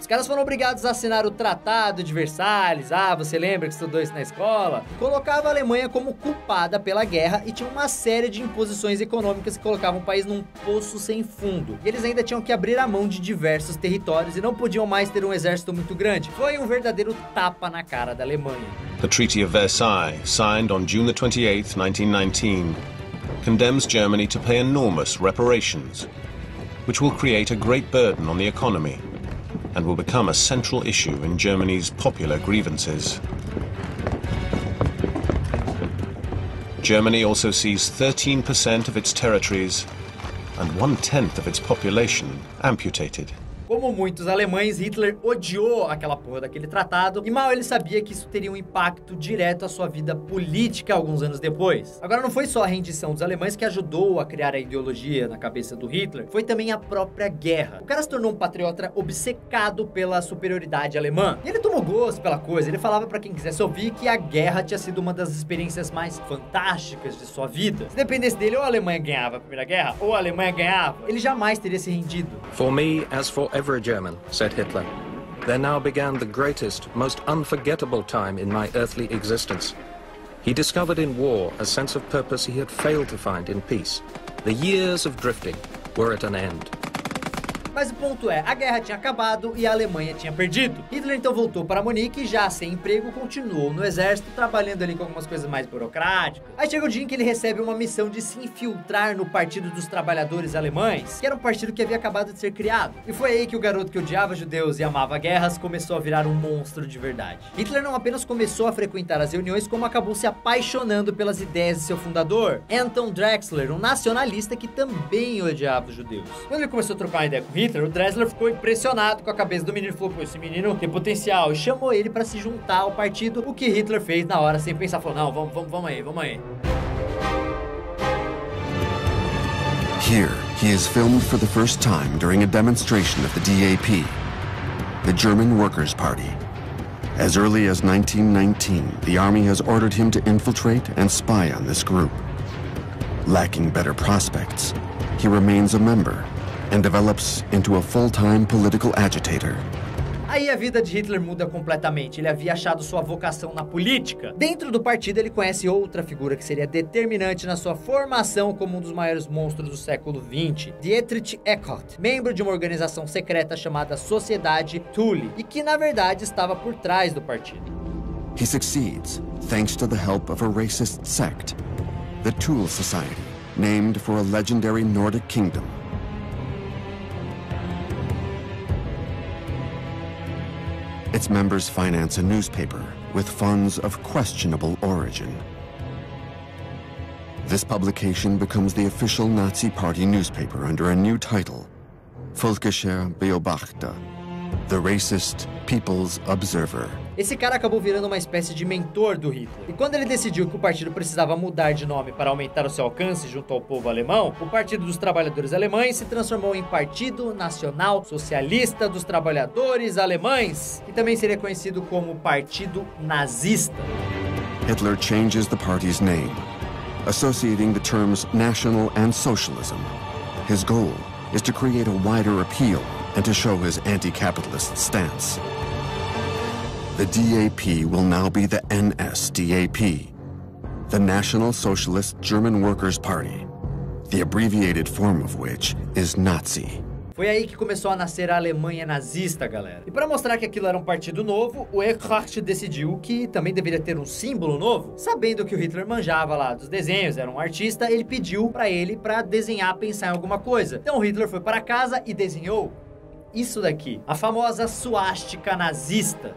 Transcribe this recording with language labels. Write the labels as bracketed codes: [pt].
[pt] Os caras foram obrigados a assinar o Tratado de Versalhes, ah, você lembra que estudou isso na escola? Colocava a Alemanha como culpada pela guerra e tinha uma série de imposições econômicas que colocavam o país num poço sem fundo. E eles ainda tinham que abrir a mão de diversos territórios e não podiam mais ter um exército muito grande. Foi um verdadeiro tapa na cara da Alemanha. [en] The Treaty of Versailles, signed on June the 28th, 1919, condemns Germany to pay enormous reparations, which will create a great burden on the economy and will become a central issue in Germany's popular grievances. Germany also sees 13% of its territories and 1/10 of its population amputated. [pt] Como muitos alemães, Hitler odiou aquela porra daquele tratado e mal ele sabia que isso teria um impacto direto à sua vida política alguns anos depois. Agora, não foi só a rendição dos alemães que ajudou a criar a ideologia na cabeça do Hitler, foi também a própria guerra. O cara se tornou um patriota obcecado pela superioridade alemã. E ele tomou gosto pela coisa, ele falava pra quem quisesse ouvir que a guerra tinha sido uma das experiências mais fantásticas de sua vida. Se dependesse dele, ou a Alemanha ganhava a Primeira Guerra, ou a Alemanha ganhava, ele jamais teria se rendido. [en] For me, as for ever a German, said Hitler. There now began the greatest, most unforgettable time in my earthly existence. He discovered in war a sense of purpose he had failed to find in peace. The years of drifting were at an end. [pt] Mas o ponto é, a guerra tinha acabado e a Alemanha tinha perdido. Hitler então voltou para Munique e já sem emprego, continuou no exército, trabalhando ali com algumas coisas mais burocráticas. Aí chega o dia em que ele recebe uma missão de se infiltrar no Partido dos Trabalhadores Alemães, que era um partido que havia acabado de ser criado. E foi aí que o garoto que odiava judeus e amava guerras começou a virar um monstro de verdade. Hitler não apenas começou a frequentar as reuniões, como acabou se apaixonando pelas ideias de seu fundador, Anton Drexler, um nacionalista que também odiava os judeus. Quando ele começou a trocar uma ideia com Hitler, o Drexler ficou impressionado com a cabeça do menino e falou, pô, esse menino tem potencial, e chamou ele pra se juntar ao partido, o que Hitler fez na hora, sem pensar, falou, não, vamos aí. [en] Here, he is filmed for the first time during a demonstration of the DAP, the German Workers' Party. As early as 1919, the army has ordered him to infiltrate and spy on this group. Lacking better prospects, he remains a member and develops into a full-time political agitator. [pt] Aí a vida de Hitler muda completamente. Ele havia achado sua vocação na política. Dentro do partido, ele conhece outra figura que seria determinante na sua formação como um dos maiores monstros do século XX, Dietrich Eckart, membro de uma organização secreta chamada Sociedade Thule, e que, na verdade, estava por trás do partido. [en] He succeeds, thanks to the help of a racist sect, the Thule Society, named for a legendary Nordic kingdom. Its members finance a newspaper with funds of questionable origin. This publication becomes the official Nazi Party newspaper under a new title, Völkischer Beobachter, the racist People's Observer. [pt] Esse cara acabou virando uma espécie de mentor do Hitler. E quando ele decidiu que o partido precisava mudar de nome para aumentar o seu alcance junto ao povo alemão, o Partido dos Trabalhadores Alemães se transformou em Partido Nacional Socialista dos Trabalhadores Alemães, que também seria conhecido como Partido Nazista. [en] Hitler changes the party's name, associating the terms national and socialism. His goal is to create a wider appeal and to show his anti-capitalist stance. The DAP will now be the NSDAP, the National Socialist German Workers' Party, the abbreviated form of which is Nazi. [pt] Foi aí que começou a nascer a Alemanha nazista, galera. E para mostrar que aquilo era um partido novo, o Eckart decidiu que também deveria ter um símbolo novo. Sabendo que o Hitler manjava lá dos desenhos, era um artista, ele pediu para ele para desenhar, pensar em alguma coisa. Então o Hitler foi para casa e desenhou isso daqui, a famosa suástica nazista.